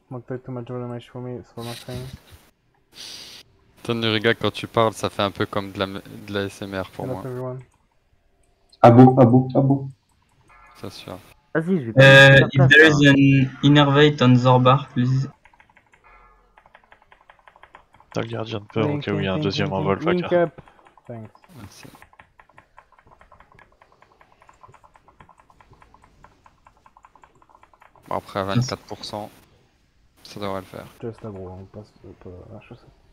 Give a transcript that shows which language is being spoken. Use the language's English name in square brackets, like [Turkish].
[English] Don't take too much damage for me, it's for nothing. [French] Ton Nuriga, quand tu parles, ça fait un peu comme de la ASMR pour moi. Abou. Ça sûr. Vas-y, je vais. [English] If there is an innervate on Zorbar, please. [French] T'as le gardien de peur au cas où il y a un deuxième envol, Faka. Merci. Bon, après, à 24%, ça devrait le faire. Just à gros, on passe un peu la chose.